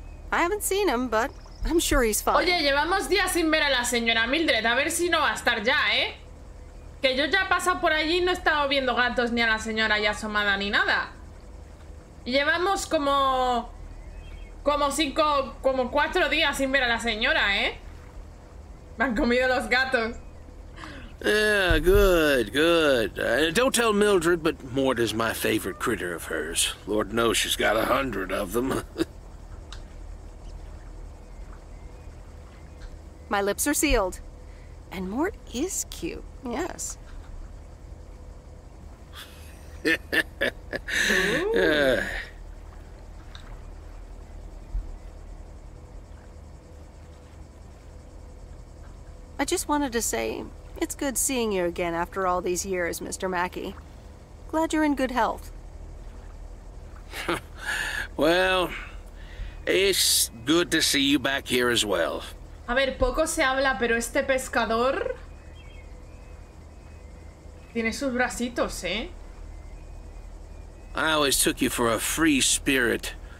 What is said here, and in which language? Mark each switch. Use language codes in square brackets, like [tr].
[en] I haven't seen him, but I'm sure he's fine. [es] Oye, llevamos días sin ver a la señora Mildred. A ver si no va a estar ya, Que yo ya he pasado por allí y no he estado viendo gatos ni a la señora ya asomada ni nada. Y llevamos como... Como cuatro días sin ver a la señora, Me han comido los gatos. [en] Yeah, good, good. Don't tell Mildred, but Mort is my favorite critter of hers. Lord knows she's got 100 of them. My lips are sealed. And Mort is cute, yes. I just wanted to say, it's good seeing you again after all these years, Mr. Mackey. Glad you're in good health. Well, it's good to see you back here as well. [es] A ver, poco se habla, pero este pescador tiene sus bracitos, [en] I always took you for a free spirit.